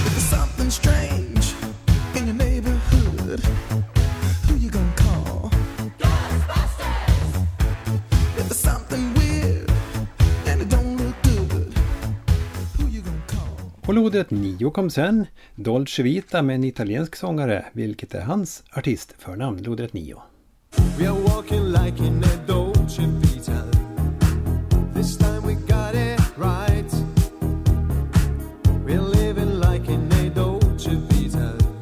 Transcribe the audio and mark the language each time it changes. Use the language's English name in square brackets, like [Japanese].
[English] Something strange in your neighborhood. Who you gonna call? Ghostbusters! Something weird and it don't look good. Who you gonna call? [Swedish] På lodet 9 kom sen, Dolce Vita med en italiensk sångare. Vilket är hans artistförnamn? Lodet 9. [English] We are walking like in a Dolce Vita. This time we got it right. We're living like in a Dolce Vita.